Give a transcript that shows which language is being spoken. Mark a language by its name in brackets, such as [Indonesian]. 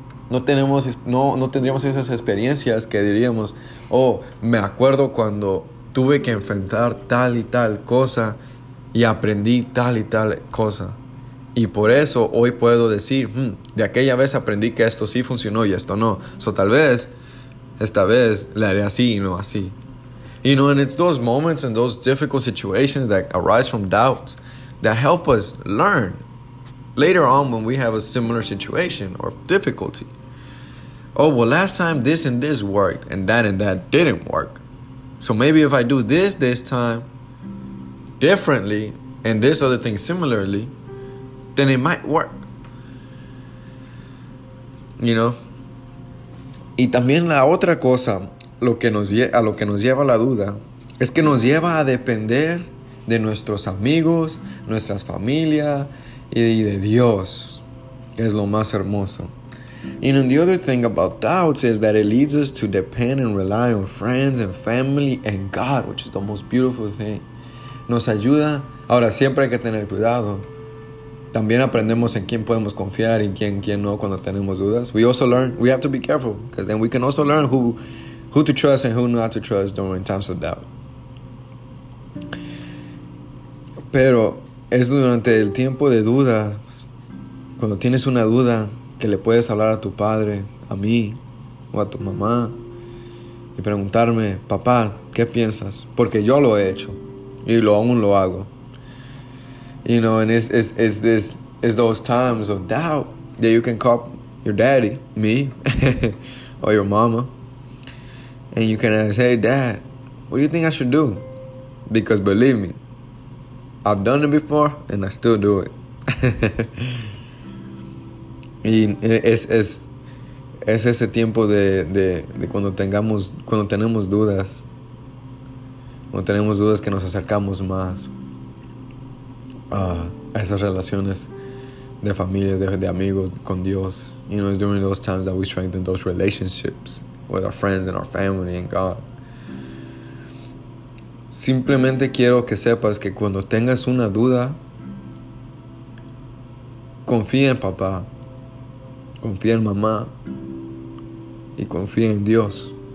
[Spanish] No tendríamos esas experiencias que diríamos, oh, me acuerdo cuando tuve que enfrentar tal y tal cosa y aprendí tal y tal cosa. Y por eso hoy puedo decir, de aquella vez aprendí que esto sí funcionó y esto no. So tal vez, esta vez, le haré así y no así. [English] You know, and it's those moments and those difficult situations that arise from doubts that help us learn later on when we have a similar situation or difficulty. Oh, well, last time this and this worked and that didn't work. So maybe if I do this time differently and this other thing similarly, then it might work. You know? [Spanish] Y también la otra cosa, a lo que nos lleva la duda, es que nos lleva a depender de nuestros amigos, nuestras familias, y de Dios, que es lo más hermoso. [English] And then the other thing about doubts is that it leads us to depend and rely on friends and family and God, which is the most beautiful thing. [Spanish] Nos ayuda. Ahora, siempre hay que tener cuidado. También aprendemos en quién podemos confiar y quién no cuando tenemos dudas. [English] We also learn, we have to be careful, because then we can also learn who to trust and who not to trust during times of doubt. [Spanish] Pero es durante el tiempo de duda, cuando tienes una duda, que le puedes hablar a tu padre, a mí o a tu mamá y preguntarme, papá, ¿qué piensas? Porque yo lo he hecho y aún lo hago. [English] You know, and it's those times of doubt that you can call your daddy, me, or your mama, and you can ask, hey, dad, what do you think I should do? Because believe me, I've done it before and I still do it. [Spanish] Y es ese tiempo de cuando tenemos dudas que nos acercamos más a esas relaciones de familias, de amigos con Dios. [English] You know, it's during those times that we strengthen those relationships with our friends and our family and God. [Spanish] Simplemente quiero que sepas que cuando tengas una duda, confía en papá, confía en mamá y confía en Dios.